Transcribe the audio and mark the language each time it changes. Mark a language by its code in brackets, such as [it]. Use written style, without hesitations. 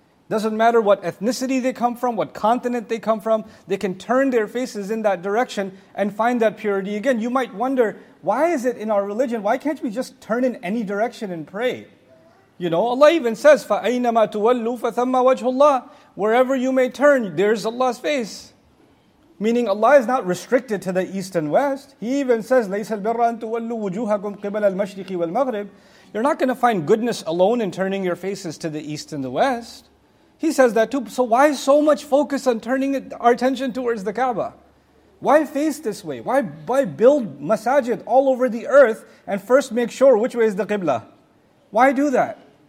[en] Doesn't matter what ethnicity they come from, what continent they come from, they can turn their faces in that direction and find that purity again. You might wonder, why is it in our religion, why can't we just turn in any direction and pray? You know, Allah even says, [ar] فَأَيْنَمَا تُوَلُّوا فَثَمَّ وَجْهُ اللَّهِ. [en] Wherever you may turn, there's Allah's face. Meaning Allah is not restricted to the east and west. He even says, [ar] لَيْسَ الْبِرَّ أَن تُوَلُّوا وُجُوهَكُمْ قِبَلَ الْمَشْرِقِ وَالْمَغْرِبِ. [en] You're not going to find goodness alone in turning your faces to the east and the west. He says that too. So why so much focus on turning our attention towards the Kaaba? Why face this way? Why build masajid all over the earth and first make sure which way is the Qibla? Why do that?